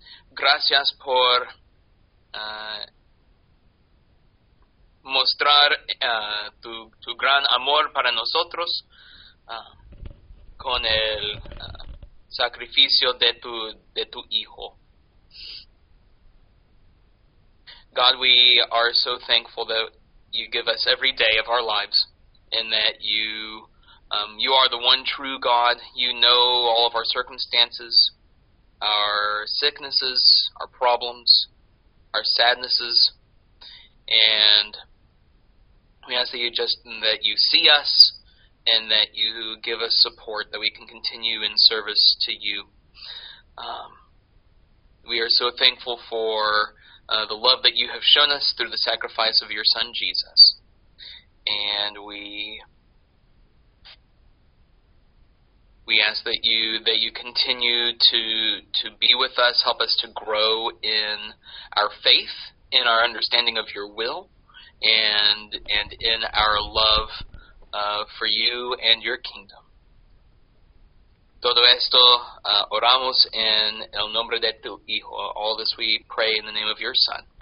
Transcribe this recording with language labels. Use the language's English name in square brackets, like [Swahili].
[Spanish] Gracias por mostrar tu gran amor para nosotros con el sacrificio de tu Hijo. [English] God, we are so thankful that you give us every day of our lives, and that you are the one true God. You know all of our circumstances, our sicknesses, our problems, our sadnesses, and we ask that you see us and that you give us support that we can continue in service to you. We are so thankful for the love that you have shown us through the sacrifice of your son, Jesus. And we ask that you continue to be with us, help us to grow in our faith, in our understanding of your will, and in our love for you and your kingdom. [Spanish] Todo esto oramos en el nombre de tu Hijo. [English] All this we pray in the name of your Son.